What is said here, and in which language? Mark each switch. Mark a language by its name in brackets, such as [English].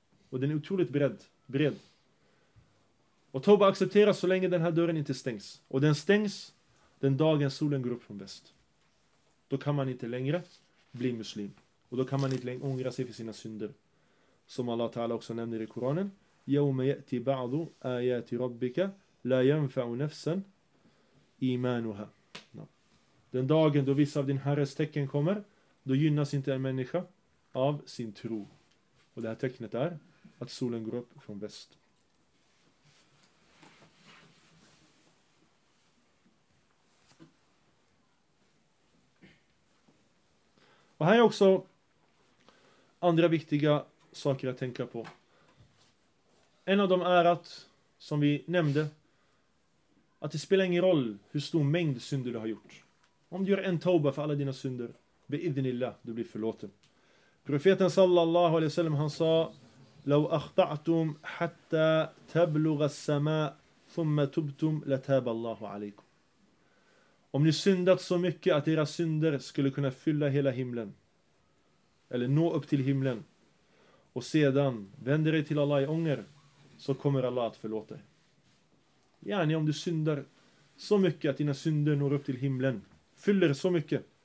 [Swedish] Och den är otroligt bred. Och tauba accepteras så länge den här dörren inte stängs. Och den stängs den dagen solen går upp från väst. Då kan man inte längre bli muslim. Och då kan man inte längre ångra sig för sina synder. Som Allah Ta'ala också nämner i Koranen. [Arabic] يوم يأتي بعض آيات ربك لا ينفع نفسا إيمانها. [Swedish] Den dagen då vissa av din herres tecken kommer, då gynnas inte en människa av sin tro. Och det här tecknet är att solen går upp från väst. Och här är också andra viktiga saker att tänka på. En av dem är att, som vi nämnde, att det spelar ingen roll hur stor mängd synder du har gjort. Om du gör en tauba för alla dina synder, bi'idhnillah, du blir förlåten. Profeten sallallahu alaihi wasallam han sa, [Arabic] لو أخطأتم حتى تبلغ السماء ثم تبتم لتاب الله عليكم. [Swedish] Om ni syndat så mycket att era synder skulle kunna fylla hela himlen, eller nå upp till himlen, och sedan vänder er till Allah i ånger, så kommer Allah att förlåta dig. Gärna om du syndar så mycket att dina synder når upp till himlen. Fyller så mycket.